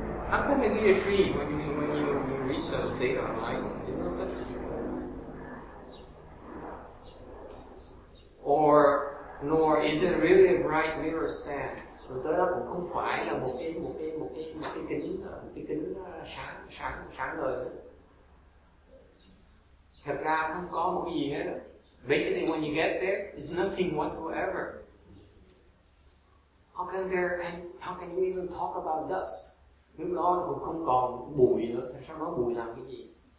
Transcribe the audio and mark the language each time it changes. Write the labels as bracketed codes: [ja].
[en] How can it be a tree when you reach the state of enlightenment? It's not such a tree. Or, nor is it really a bright mirror stand? [vi] Rồi tới đó cũng không phải là một cái kính sáng lời. Thật ra không có một cái gì hết. [en] Basically when you get there, it's nothing whatsoever. How can you even talk about dust? [vi] Lúc đó nó cũng không còn bụi nữa, thật ra nó bụi làm cái gì?